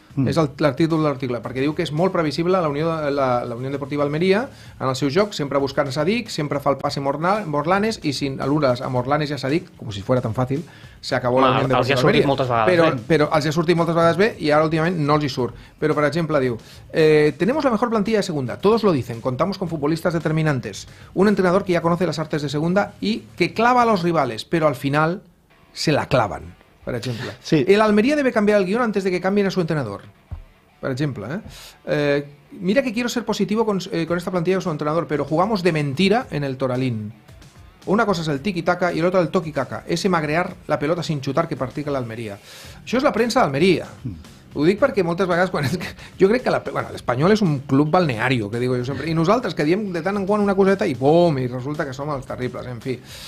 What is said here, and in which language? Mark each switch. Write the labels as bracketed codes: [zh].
[ca] És el títol de l'article, perquè diu que és molt previsible la Unió Deportiva Almeria en el seu joc, sempre buscant a Sadik, sempre fa el passe Morlanes, i si alures a Morlanes i a Sadik, com si fos tan fàcil, s'acabó la Unió Deportiva Almeria. Però els ha sortit moltes vegades bé, i ara últimament no els hi surt. Però, per exemple, diu: [es] tenemos la mejor plantilla de segunda, todos lo dicen, contamos con futbolistas determinantes, un entrenador que ya conoce las artes de segunda y que clava a los rivales, pero al final se la clavan, [ca] per exemple. [es] Sí. El Almería debe cambiar el guión antes de que cambien a su entrenador, [ca] per exemple. [es] Mira que quiero ser positivo con esta plantilla de su entrenador, pero jugamos de mentira en el Toralín. Una cosa es el tiki-taka y la otra el toki-kaka. Ese magrear la pelota sin chutar que practica l'Almeria. [ca] Això és la premsa d'Almeria. Ho dic perquè moltes vegades... jo crec que l'Espanyol és un club balneario, que digo jo sempre. I nosaltres, que diem de tant en quant una coseta i bom, i resulta que som els terribles, en fi.